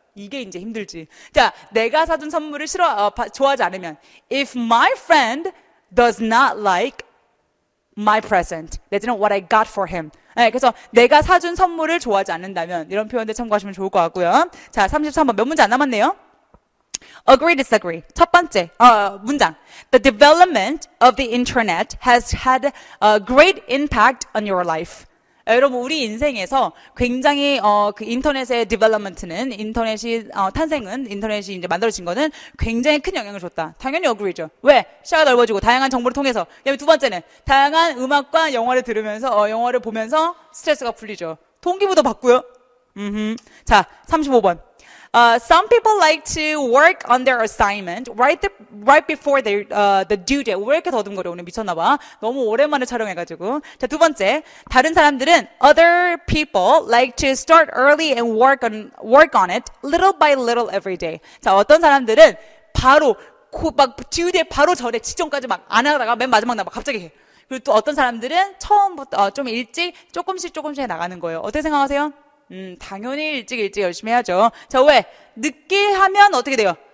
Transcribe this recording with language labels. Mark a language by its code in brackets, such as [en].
[ko] 이게 이제 힘들지. 자, 내가 사준 선물을 좋아하지 않으면 [en] if my friend does not like my present, [ko] 내지는 [en] what I got for him. [ko] 네, 그래서 내가 사준 선물을 좋아하지 않는다면 이런 표현들 참고하시면 좋을 것 같고요. 자, 33번 몇 문제 안 남았네요. Agree, disagree. 첫 번째, 문장. [en] The development of the internet has had a great impact on your life. [ko] 여러분, 우리 인생에서 굉장히 그 인터넷의 development는 인터넷이 탄생은 인터넷이 이제 만들어진 거는 굉장히 큰 영향을 줬다. 당연히 agree죠. 왜? 시야가 넓어지고 다양한 정보를 통해서. 그다음에 두 번째는 다양한 음악과 영화를 들으면서 영화를 보면서 스트레스가 풀리죠. 동기부여도 받고요. 자, 35번. [en] Some people like to work on their assignment right before the due date. [ko] 왜 이렇게 더듬거려? 오늘 미쳤나 봐. 너무 오랜만에 촬영해가지고. 자, 두 번째. 다른 사람들은 [en] other people like to start early and work on it little by little every day. [ko] 자, 어떤 사람들은 바로 막 due date 바로 전에 지점까지 막안 하다가 맨 마지막 나막 갑자기 해. 그리고 또 어떤 사람들은 처음부터 좀 일찍 조금씩 나가는 거예요. 어떻게 생각하세요? 당연히 일찍 열심히 해야죠. 자, 왜? 늦게 하면 어떻게 돼요?